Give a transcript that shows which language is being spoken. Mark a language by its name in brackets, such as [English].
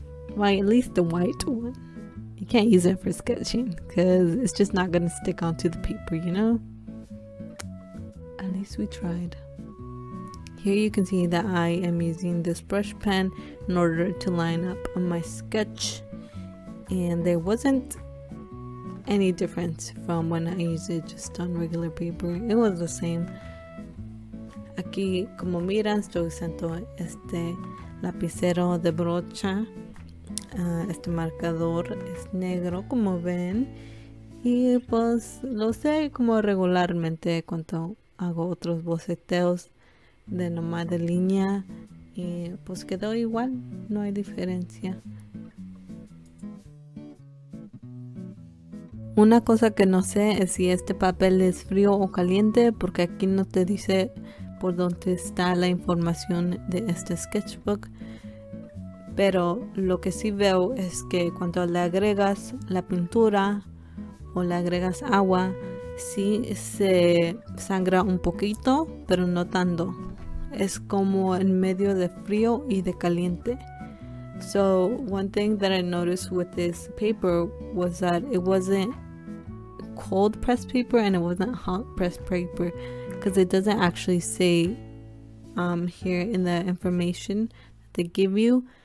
[English] Well, at least the white one. You can't use it for sketching because it's just not going to stick onto the paper, you know? At least we tried. Here you can see that I am using this brush pen in order to line up on my sketch. And there wasn't any difference from when I used it just on regular paper. It was the same. [Spanish] Aquí, como miran, estoy usando este lapicero de brocha. Este marcador es negro, como ven. Y pues lo sé como regularmente cuando hago otros boceteos de nomás de línea. Y pues quedó igual, no hay diferencia. Una cosa que no sé es si este papel es frío o caliente, porque aquí no te dice por dónde está la información de este sketchbook. Pero lo que sí veo es que cuando le agregas la pintura o le agregas agua, sí se sangra un poquito, pero no tanto. Es como en medio de frío y de caliente. [English] So one thing that I noticed with this paper was that it wasn't cold pressed paper and it wasn't hot pressed paper, because it doesn't actually say here in the information that they give you.